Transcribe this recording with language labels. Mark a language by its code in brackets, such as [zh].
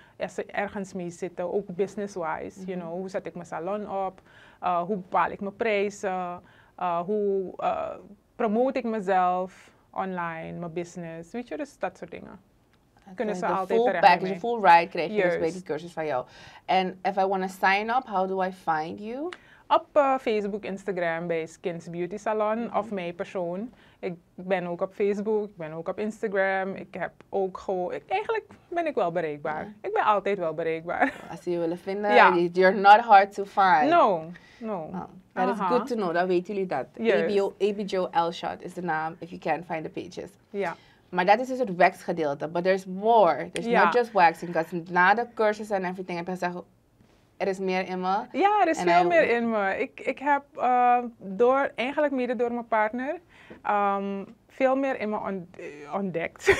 [nl] Als ze ergens mee zitten, ook business-wise. Mm-hmm. [en] You know, [nl] hoe zet ik mijn salon op? Hoe bepaal ik mijn prijzen? Hoe promote ik mezelf online, mijn business? Weet je, dus dat soort dingen. Kunnen ze altijd [en] full package, [nl] mee. [en] Full ride [nl] krijg je dus bij die cursus van jou. [en] And if I want to sign up, how do I find you? [nl] Op Facebook, Instagram bij Skins Beauty Salon, mm-hmm. of mijn persoon. Ik ben ook op Facebook, ik ben ook op Instagram. Ik heb ook gewoon... Eigenlijk ben ik wel bereikbaar. Yeah. Ik ben altijd wel bereikbaar. Als je willen vinden, [en] yeah. You're not hard to find. No. That is good to know, [nl] dan weten jullie dat. [en] ABJO Elshot [nl] is de naam, [en] if you can't find the pages. Ja. Yeah. [nl] Maar dat is dus het wax gedeelte. [en] But there's more. There's yeah. not just waxing. Because [nl] na de cursus en everything heb ik gezegd, er is meer in me. Ja, er is veel meer in me. Ik heb door, eigenlijk mede door mijn partner, veel meer in me ontdekt.